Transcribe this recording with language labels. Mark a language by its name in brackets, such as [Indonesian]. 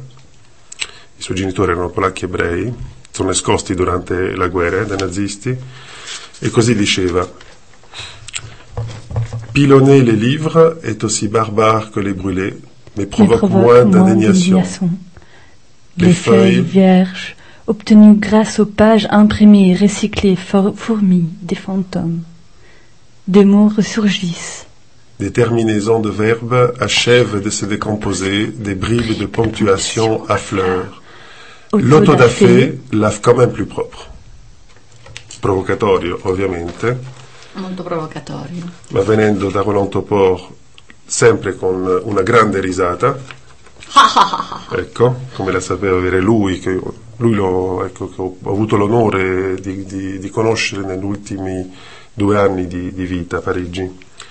[Italian] I suoi genitori erano polacchi ebrei, sono nascosti durante la guerra dai nazisti, e così diceva: [French] pilonner les livres est aussi barbare que les brûler, mais provoque moins d'indignation. Les feuilles vierges, obtenues grâce aux pages imprimées, recyclées, fourmis des fantômes. Des mots ressurgissent. Des terminaisons de verbes achèvent de se décomposer, des bribes de ponctuation affleurent. L'autodafé lave quand même plus propre. [Italian] Provocatorio, ovviamente. Molto provocatorio. Ma venendo da Roland Topor, sempre con una grande risata. Ecco, come la sapeva avere lui, che lui ho avuto l'onore di conoscere negli ultimi 2 anni di vita a Parigi.